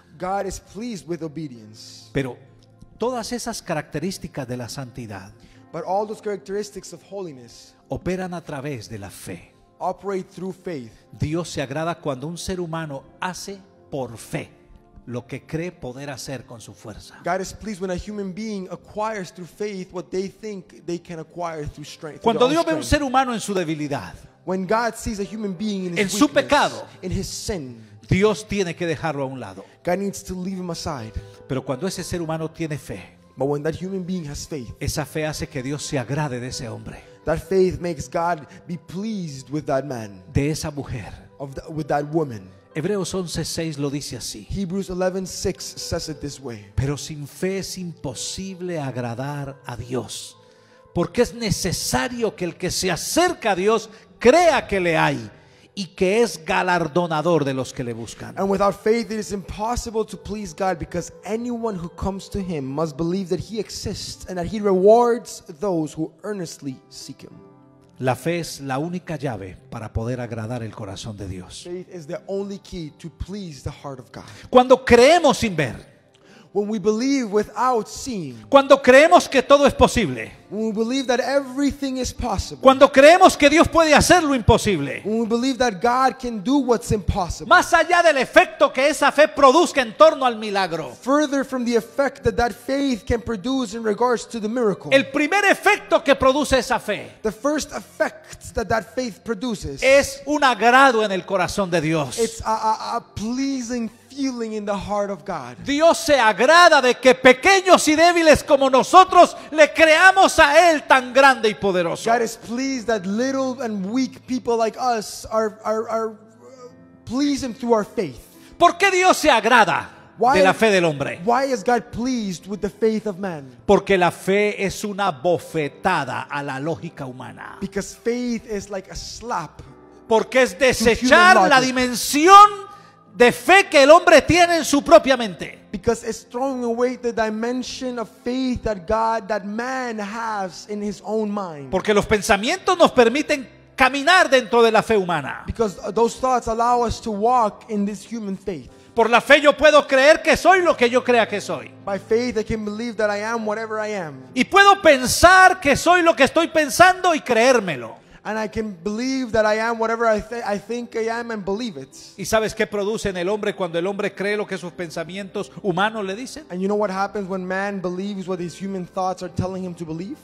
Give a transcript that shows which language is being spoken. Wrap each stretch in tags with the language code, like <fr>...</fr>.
<en>God is pleased with obedience.</en> <es>Pero todas esas características de la santidad,</es> <en>but all those characteristics of holiness,</en> <es>operan a través de la fe.</es> <en>Operate through faith.</en> <es>Dios se agrada cuando un ser humano hace por fe lo que cree poder hacer con su fuerza.</es> <en>God is pleased when a human being acquires through faith what they think they can acquire through strength.</en> <es>Cuando Dios ve un ser humano en su debilidad,</es> <en>when God sees a human being in his weakness,</en> <es>en su pecado,</es> <en>in his sin,</en> <es>Dios tiene que dejarlo a un lado.</es> <en>God needs to leave him aside.</en> <es>Pero cuando ese ser humano tiene fe,</es> <en>but when that human being has faith,</en> <es>esa fe hace que Dios se agrade de ese hombre.</es> <en>That faith makes God be pleased with that man.</en> <es>De esa mujer.</es> <en>With that woman.</en> <es>Hebreos 11:6 lo dice así.</es> <en>Hebrews 11:6 says it this way.</en> <es>Pero sin fe es imposible agradar a Dios, porque es necesario que el que se acerca a Dios crea que le hay y que es galardonador de los que le buscan.</es> <en>And without faith it is impossible to please God, because anyone who comes to him must believe that he exists and that he rewards those who earnestly seek him.</en> <es>La fe es la única llave para poder agradar el corazón de Dios.</es> <en>Faith is the only key to please the heart of God.</en> <es>Cuando creemos sin ver,</es> <en>when we believe without seeing,</en> <es>cuando creemos que todo es posible,</es> <en>when we believe that everything is possible,</en> <es>cuando creemos que Dios puede hacer lo imposible,</es> <en>when we believe that God can do what's impossible,</en> <es>más allá del efecto que esa fe produzca en torno al milagro,</es> <en>further from the effect that that faith can produce in regards to the miracle,</en> <es>el primer efecto que produce esa fe,</es> <en>the first effect that that faith produces,</en> <es>es un agrado en el corazón de Dios.</es> <en>It's a pleasing feeling in the heart of God.</en> <es>Dios se agrada de que pequeños y débiles como nosotros le creamos a él tan grande y poderoso.</es> <en>God is pleased that little and weak people like us are pleased him through our faith.</en> <es>¿Por qué Dios se agrada de la fe del hombre?</es> <en>Why is God pleased with the faith of man?</en> <es>Porque la fe es una bofetada a la lógica humana.</es> <en>Because faith is like a slap.</en> <es>Porque es desechar la dimensión de fe que el hombre tiene en su propia mente.</es> <en>Because it's throwing away the dimension of faith that God, that man has in his own mind.</en> <es>Porque los pensamientos nos permiten caminar dentro de la fe humana.</es> <en>Because those thoughts allow us to walk in this human faith.</en> <es>Por la fe yo puedo creer que soy lo que yo crea que soy.</es> <en>By faith I can believe that I am whatever I am.</en> <es>Y puedo pensar que soy lo que estoy pensando y creérmelo.</es> <en>And I can believe that I am whatever I think I am and believe it.</en> <es>¿Y sabes qué produce en el hombre cuando el hombre cree lo que sus pensamientos humanos le dicen?</es> <en>And you know what happens when man believes what his human thoughts are telling him to believe?</en>